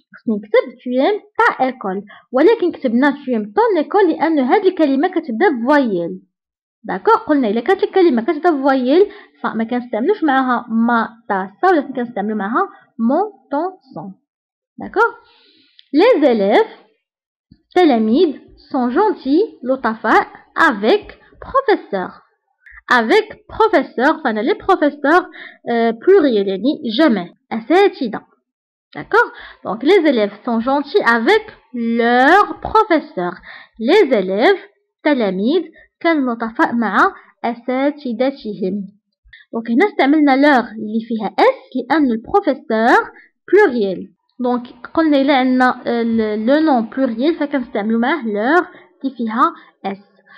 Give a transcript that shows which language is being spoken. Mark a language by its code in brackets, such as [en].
[ar] نكتب [fr] tu aimes ta école [ar] ولكن كتبنا [fr] tu aimes ton école [ar] لأن هذه الكلمة كتبدا بفويل. داكوغ. قلنا إلا كانت الكلمة كتبدا بفويل فما كنستعملوش معها ما تا سا ولكن كنستعملو معها [fr] mon ton son. داكوغ. les élèves [ar] تلاميذ [fr] sont gentils [ar] لطفاء [fr] avec professeur. avec professeur فانا لي professeur pluriel [ar] يعني جمع أساتذة. [fr] D'accord. Donc les élèves sont gentils avec leur professeur. Les élèves, [ar] تلاميذ, كان لطفاء مع أساتذتهم. [fr] Donc [ar] هنا استعملنا leur اللي فيها s لأن البروفيسور بلوريال. [fr] Donc [ar] قلنا إلا عندنا [fr] le nom pluriel [ar] فكنستعملو معاه leur اللي فيها s.